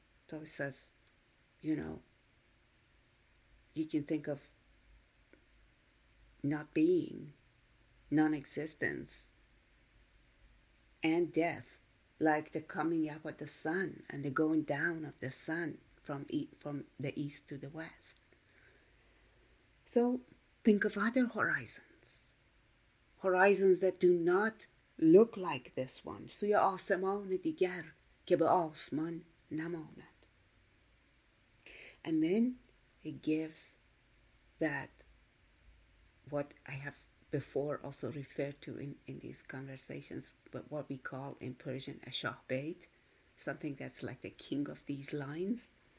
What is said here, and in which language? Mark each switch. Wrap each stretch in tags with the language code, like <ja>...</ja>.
<en>So he says, you know, you can think of not being, non-existence, and death, like the coming up of the sun and the going down of the sun from the east to the west. So think of other horizons. Horizons that do not look like this one.</en> <fa>سوی آسمان دیگر که به آسمان نماند.</fa> <en>And then he gives that what I have before also referred to in these conversations, but what we call in Persian a Shah Beit, something that's like the king of these lines.</en>